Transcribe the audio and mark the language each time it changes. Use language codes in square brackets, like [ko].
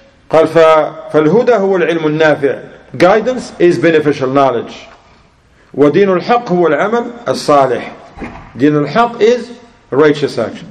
[ar] قال فالهدى هو العلم النافع. [en] Guidance is beneficial knowledge. [ar] ودين الحق هو العمل الصالح. [en] دين الحق is righteous action.